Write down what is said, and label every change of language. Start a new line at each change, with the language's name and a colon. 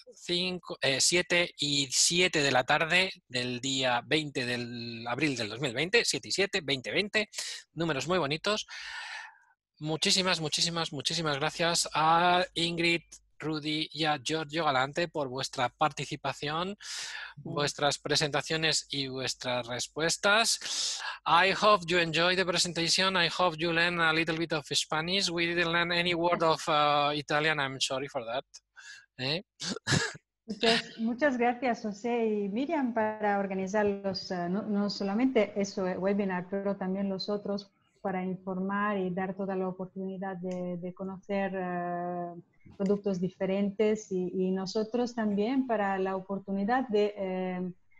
Spanish: 7:07 de la tarde del día 20 de abril del 2020. 7:07, 2020. Números muy bonitos. Muchísimas, muchísimas, muchísimas gracias a Ingrid, Rudy y a Giorgio Galante por vuestra participación, vuestras presentaciones y vuestras respuestas.
English: I hope you enjoy the presentation. I hope you learn a little bit of Spanish. We didn't learn any word of Italian. I'm sorry for that. ¿Eh?
Spanish: Muchas gracias, José y Miriam, para organizar los, no solamente ese webinar, pero también los otros para informar y dar toda la oportunidad de conocer productos diferentes y nosotros también para la oportunidad de